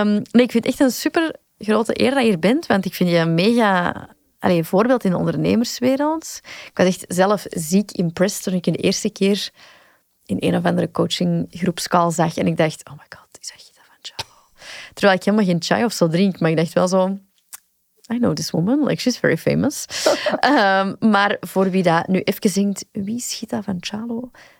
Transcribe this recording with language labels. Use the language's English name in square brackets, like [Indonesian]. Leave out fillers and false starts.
[Dutch] Ik vind het echt een super grote eer dat je hier bent, want ik vind je een mega voorbeeld in de ondernemerswereld. Ik was echt zelf ziek impressed toen ik je de eerste keer in een of andere coachinggroepscall zag en ik dacht, [English] oh my god, [Dutch] die zag je dat van chai. Terwijl ik helemaal geen chai of zo drink, maar ik dacht wel zo... [English] I know this woman, like she's very famous. [Dutch] Maar voor wie dat nu even zingt, wie is Gita van Chalo?